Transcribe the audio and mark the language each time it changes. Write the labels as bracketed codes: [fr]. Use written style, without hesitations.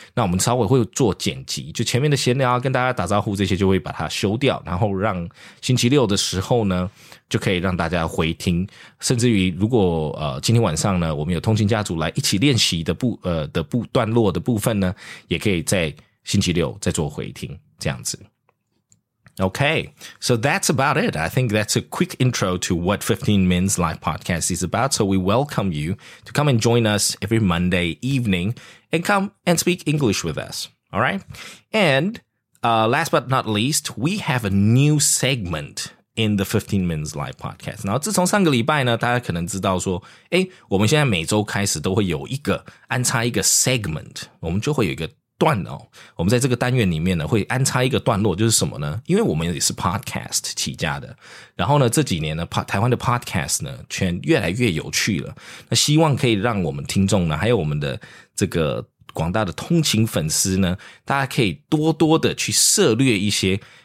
[zh] 那我们稍微会做剪辑，就前面的闲聊啊，跟大家打招呼这些就会把它修掉，然后让星期六的时候呢，就可以让大家回听。甚至于如果今天晚上呢，我们有通勤家族来一起练习的段落的部分呢，也可以在星期六再做回听，这样子。 [en] Okay, so that's about it. I think that's a quick intro to what 15 Minutes Live Podcast is about. So we welcome you to come and join us every Monday evening and come and speak English with us. All right. And last but not least, we have a new segment in the 15 Minutes Live Podcast. [zh] 然后自从上个礼拜呢，大家可能知道说，我们现在每周开始都会有一个安插一个 segment， 我们就会有一个段哦，我们在这个单元里面呢会安插一个段落，就是什么呢，因为我们也是 podcast 起家的，然后呢这几年呢台湾的 podcast 呢全越来越有趣了，那希望可以让我们听众呢还有我们的这个广大的通勤粉丝呢，大家可以多多的去涉略一些